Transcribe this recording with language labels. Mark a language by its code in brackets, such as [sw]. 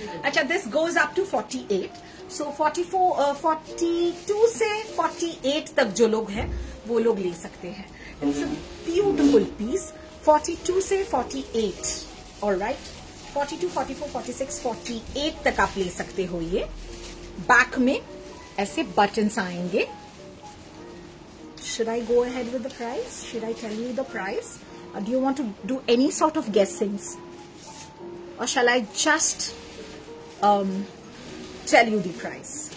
[en] अच्छा, this goes up to 48. [hi] So 42 से 48 तक जो लोग हैं वो लोग ले सकते हैं. [en] It's a beautiful piece. 42 से 48. Alright. [hi] 42, 44, 46, 48 तक आप ले सकते हो ये. Back में ऐसे buttons आएंगे. [en] Should I go ahead with the price? Should I tell you the price? Or do you want to do any sort of guessings? Or shall I just tell you the price?